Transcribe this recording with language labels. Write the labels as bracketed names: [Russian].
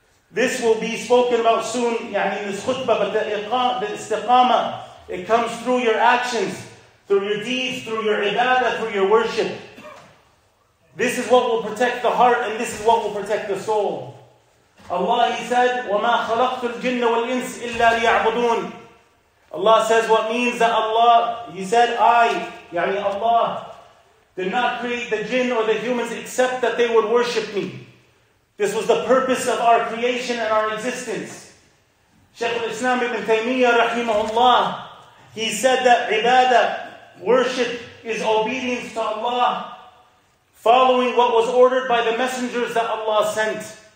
[English] This will be spoken about soon, يعني this khutbah, but the istiqama, it comes through your actions, through your deeds, through your ibadah, through your worship. This is what will protect the heart, and this is what will protect the soul. Allah, He said, [Arabic] وَمَا خَلَقْتُ الْجِنَّ وَالْإِنسِ إِلَّا لِيَعْبُدُونَ. [English] Allah says, what means that Allah, He said, I, يعني Allah, did not create the jinn or the humans except that they would worship me. This was the purpose of our creation and our existence. Shaykh al-Islam ibn Taymiyyah rahimahullah, he said that ibadah, worship, is obedience to Allah, following what was ordered by the messengers that Allah sent.